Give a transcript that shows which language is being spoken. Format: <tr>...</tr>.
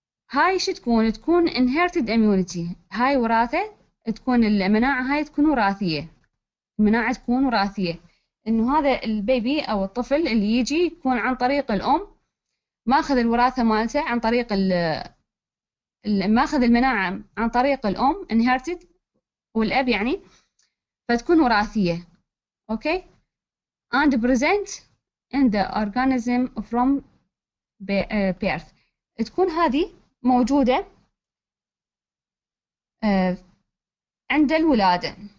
<ar>هاي شو تكون؟ تكون</ar> <en>inherited immunity،</en> <ar>هاي وراثة، تكون المناعة هاي تكون وراثية، المناعة تكون وراثية، إنه هذا البيبي أو الطفل اللي يجي يكون عن طريق الأم ماخذ الوراثة مالته عن طريق ماخذ المناعة عن طريق الأم inherited والأب يعني، فتكون وراثية.</ar> <en>Okay, and present in the organism from birth.</en> <ar>تكون هذه موجودة عند الولادة.</ar>